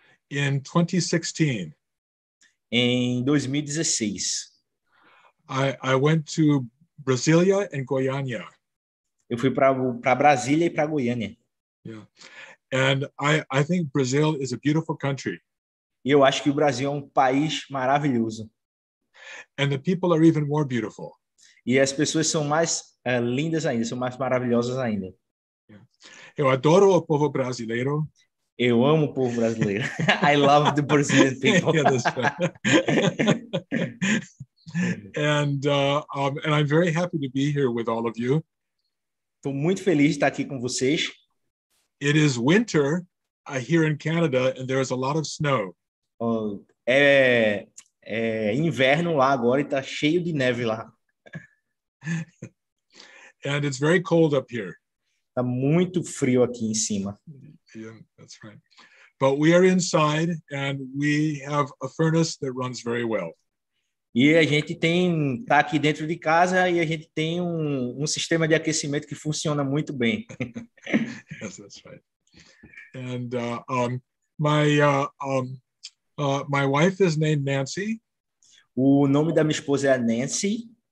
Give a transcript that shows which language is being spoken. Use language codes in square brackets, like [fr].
[en] In 2016. [pt] Em 2016. [en] I went to Brasília e Goiânia. [pt] Eu fui para Brasília e para Goiânia. [en] Yeah. And I think Brazil is a beautiful country. [pt] E eu acho que o Brasil é um país maravilhoso. [en] And the people are even more beautiful. [pt] E as pessoas são mais lindas ainda, são mais maravilhosas ainda. Yeah. Eu adoro o povo brasileiro. Eu amo o povo brasileiro. [en] I love the Brazilian people. Yeah, that's And I'm very happy to be here with all of you. [pt] Tô muito feliz de estar aqui com vocês. [en] It is winter here in Canada and there is a lot of snow. [pt] É inverno lá agora e tá cheio de neve lá. [en] And it's very cold up here. [pt] Tá muito frio aqui em cima. [en] Yeah, that's right. But we are inside and we have a furnace that runs very well. [pt] E a gente está aqui dentro de casa e a gente tem um sistema de aquecimento que funciona muito bem. [en] Yes, that's right. And my wife is named Nancy. [pt] O nome da minha esposa é Nancy.